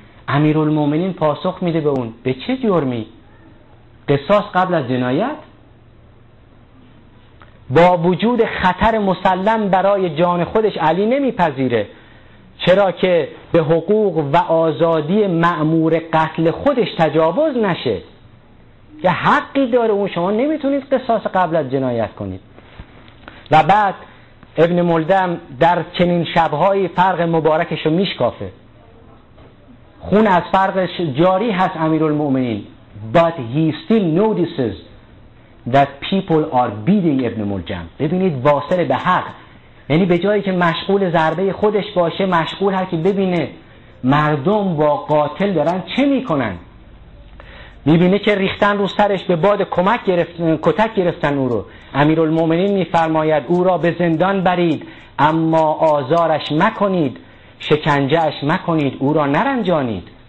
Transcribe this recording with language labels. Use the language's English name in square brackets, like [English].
[Persian] امیرالمومنین پاسخ میده به اون، به چه جرمی؟ قصاص قبل از جنایت؟ با وجود خطر مسلم برای جان خودش علی نمیپذیره، چرا که به حقوق و آزادی مأمور قتل خودش تجاوز نشه. یه حقی داره اون، شما نمیتونید قصاص قبل از جنایت کنید. و بعد ابن ملجم در چنین شبهای فرق مبارکشو میشکافه، خون از فرقش جاری هست امیرالمومنین. [English] But he still notices that people are beating ابن ملجم. [Persian] ببینید واصل به حق، یعنی به جایی که مشغول ضربه خودش باشه، مشغول هر که ببینه مردم با قاتل دارن چه میکنن. میبینه که ریختن رو سرش، به باد کمک گرفتن، کتک گرفتن او رو. امیرالمومنین میفرماید او را به زندان برید، اما آزارش مکنید، شکنجه اش مکنید، او را نرنجانید.